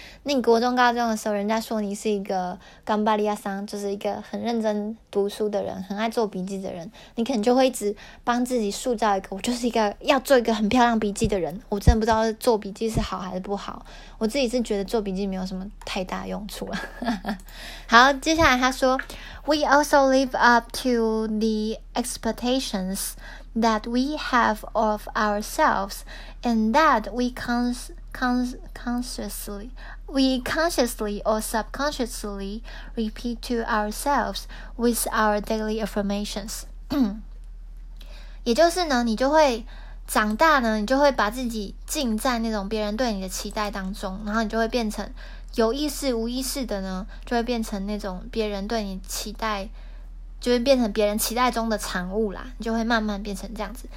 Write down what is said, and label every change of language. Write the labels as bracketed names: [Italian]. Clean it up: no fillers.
[Chinese] 那你国中、高中的时候，人家说你是一个干巴利亚桑，就是一个很认真读书的人、很爱做笔记的人，你可能就会一直帮自己塑造一个，我就是一个要做一个很漂亮笔记的人。我真的不知道做笔记是好还是不好，我自己是觉得做笔记没有什么太大用处了。好，接下来他说 [English] ，We also live up to the expectations that we have of ourselves, and that we consciously or subconsciously repeat to ourselves with our daily affirmations. [Chinese] 也就是呢，你就会长大呢，你就会把自己浸在那种别人对你的期待当中，然后你就会变成。有意识无意识的呢，就会变成那种别人对你期待，就会变成别人期待中的产物啦，你就会慢慢变成这样子。